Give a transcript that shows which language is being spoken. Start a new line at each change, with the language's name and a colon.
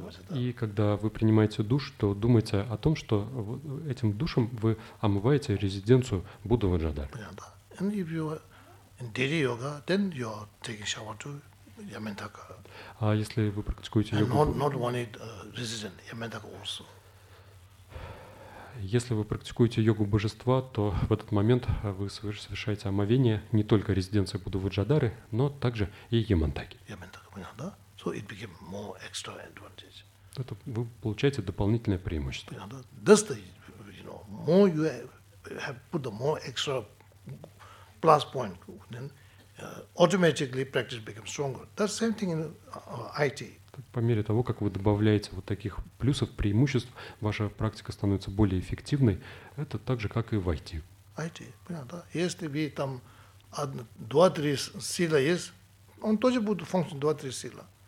Russian: И когда вы принимаете душ, то думайте о том, что этим душем вы омываете резиденцию Будды Ваджадары.
English: And if you are in daily yoga, then you are taking shower to Yamantaka.
Russian: А если вы практикуете
English: and
Russian: йогу?
English: Not only resident, Yamantaka also.
Russian: Если вы практикуете йогу божества, то в этот момент вы совершаете омовение не только резиденции Будды Ваджадары, но также и Ямантаки. Ямантака, понятно, да?
English: So it became more extra advantage.
Russian: Это вы получаете дополнительное преимущество. Понятно?
English: Thus, you know, more you have put the more extra plus point, then automatically practice becomes stronger. That's same thing in IT.
Russian: По мере того, как вы добавляете вот таких плюсов, преимуществ, ваша практика становится более эффективной. Это так же, как и в IT. IT, понятно. Если вы там 2-3 сила есть, он тоже будет функционировать 2-3 сила.